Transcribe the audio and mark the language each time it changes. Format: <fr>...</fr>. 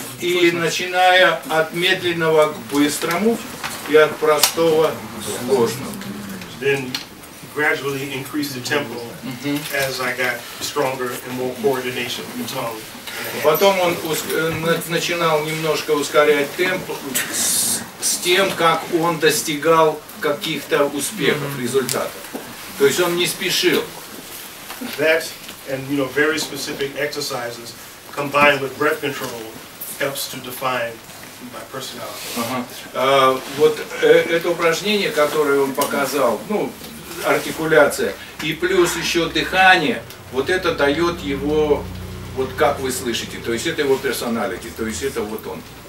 <ru>И начиная от медленного к быстрому и от простого к сложному.</ru> <en>Then gradually increased the tempo as I got stronger and more coordination in tongue.</en> <ru>Потом он начинал немножко ускорять темп с тем, как он достигал каких-то успехов, результатов. То есть он не спешил.</ru> <en>That and you know very specific exercises combined with breath control helps to define my personality.</en> <ru>Вот это упражнение, которое он показал, ну, артикуляция, и плюс еще дыхание, вот это дает его, вот как вы слышите, то есть это его персоналити, то есть это вот он.</ru>